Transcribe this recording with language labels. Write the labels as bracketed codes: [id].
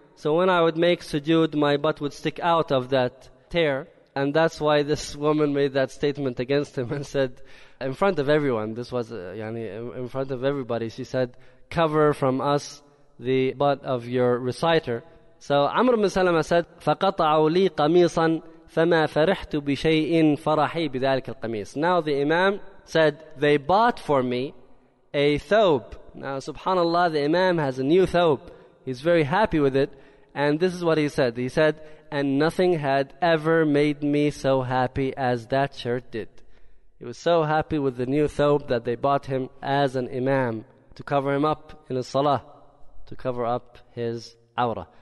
[en] So when I would make sujood, my butt would stick out of that tear. And that's why this woman made that statement against him and said, in front of everyone, this was in front of everybody, she said, cover from us the butt of your reciter. So Amr ibn Salama said, [ar] فَقَطَعُوا لِي قَمِيصًا فَمَا فَرِحْتُ بِشَيْءٍ فَرَحِي بِذَلِكَ الْقَمِيصِ. [en] Now the Imam said, they bought for me a thawb. Now subhanAllah, the Imam has a new thawb. He's very happy with it. And this is what he said. He said, and nothing had ever made me so happy as that shirt did. He was so happy with the new thawb that they bought him as an Imam to cover him up in his salah, to cover up his awrah.